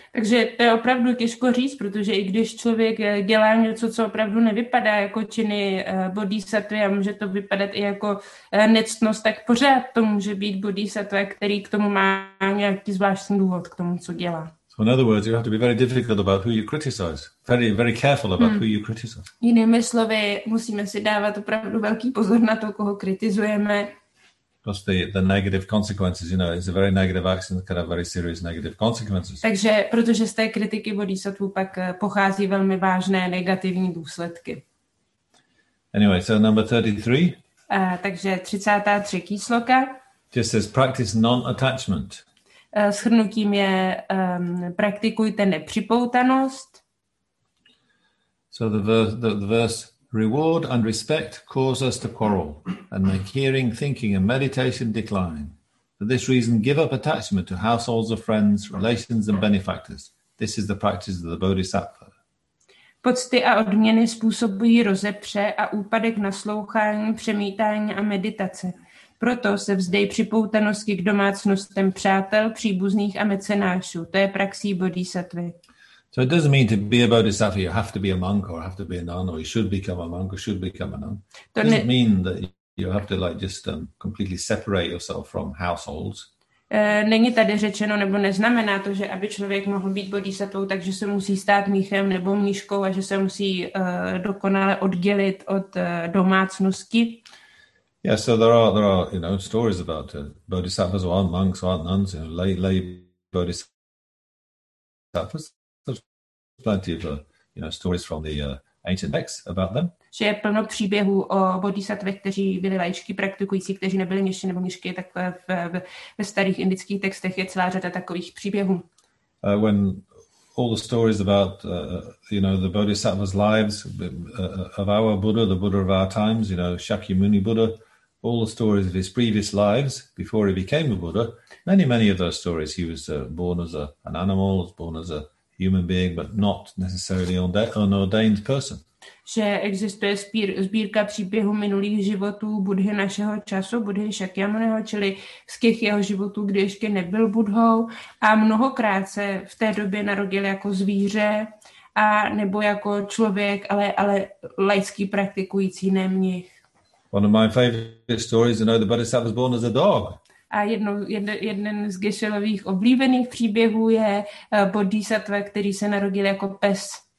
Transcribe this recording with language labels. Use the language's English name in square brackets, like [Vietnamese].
[Czech] Takže to je opravdu těžko říct, protože i když člověk dělá něco, co opravdu nevypadá jako činy bodhisattvy a může to vypadat i jako nectnost, tak pořád to může být bodhisattva, který k tomu má nějaký zvláštní důvod k tomu, co dělá. [English] So in other words, you have to be very difficult about who you criticize. Very, very careful about who you criticize. [Czech] Jinými slovy, musíme si dávat opravdu velký pozor na to, koho kritizujeme. [English] Because the negative consequences, it's a very negative action that can have very serious negative consequences. [Czech] Takže protože z té kritiky bodhisattvů pak pochází velmi vážné negativní důsledky. [English] Anyway, so number 33. [Czech] Takže 33. sloka. [English] Just says practice non-attachment. [Czech] Shrnutím je praktikujte nepřipoutanost. [English] So the verse: reward and respect cause us to quarrel and make hearing, thinking and meditation decline. For this reason, give up attachment to households of friends, relations and benefactors. This is the practice of the bodhisattva. [Czech] Pocty a odměny způsobují rozepře a úpadek naslouchání, přemítání a meditace. Proto se vzdej připoutanosti k domácnostem přátel, příbuzných a mecenášů. To je praxí bodhisattvy. [English] So it doesn't mean to be a bodhisattva, you have to be a monk or have to be a nun or you should become a monk or should become a nun. It doesn't mean that you have to like just completely separate yourself from households. [Czech] Není tady řečeno, nebo neznamená to, že aby člověk mohl být bodhisattvou, takže se musí stát mnichem nebo mniškou a že se musí dokonale oddělit od domácnosti. [English] Yeah, so there are you know, stories about bodhisattvas who aren't monks, who aren't nuns, you know, lay bodhisattvas. There's plenty of you know, stories from the ancient texts about them. [Czech] Že je plno příběhů o bodhisattvech, kteří byli laičky praktikující, kteří nebyli měši nebo měšky, tak ve starých indických textech je celá řada takových příběhů. [English] When all the stories about you know, the bodhisattvas' lives of our Buddha, the Buddha of our times, you know, Shakyamuni Buddha, all the stories of his previous lives before he became a Buddha, many, many of those stories, he was born as an animal, was born as a human being, but not necessarily an ordained person. [Czech] Že existuje sbírka příběhů minulých životů Budhy našeho času, Budhy Šakyamuniho, čili z těch jeho životů, kdy ještě nebyl Budhou, a mnohokrát se v té době narodil jako zvíře a nebo jako člověk, ale laický praktikující, ne mnich. [English] One of my favorite stories, you know, the Bodhisattva was born as a dog. [Czech] A jeden z Geshe-lových oblíbených příběhů je Bodhisattva, který se narodil jako pes.